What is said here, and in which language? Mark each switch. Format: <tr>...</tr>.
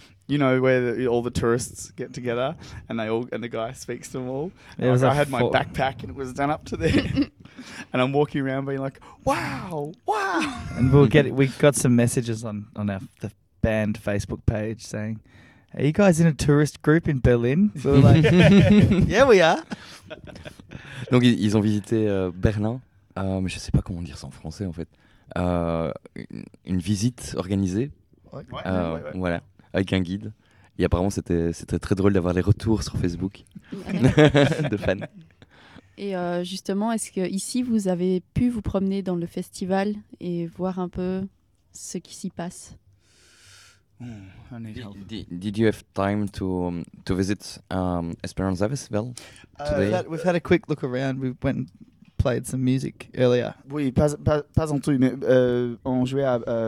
<en>You know where all the tourists get together, and the guy speaks to them all. I had my backpack, and it was done up to there. And I'm walking around, being like, "Wow, wow!" And we got some messages on the band Facebook page saying, "Are you guys in a tourist group in Berlin?" So we're like, "Yeah, we are."</en> <fr>Donc ils ont visité Berlin, mais je sais pas comment dire ça en français en fait. Une visite organisée, voilà. Avec un guide. Et apparemment, c'était très drôle d'avoir les retours sur Facebook de fans. Et justement, est-ce que ici vous avez pu vous promener dans le festival et voir un peu ce qui s'y passe?</fr> <en>Did you have time to visit Esperanza Festival today? We've had a quick look around. We went and played some music earlier.</en> <fr>Oui, pas en tout, mais on jouait à...</fr>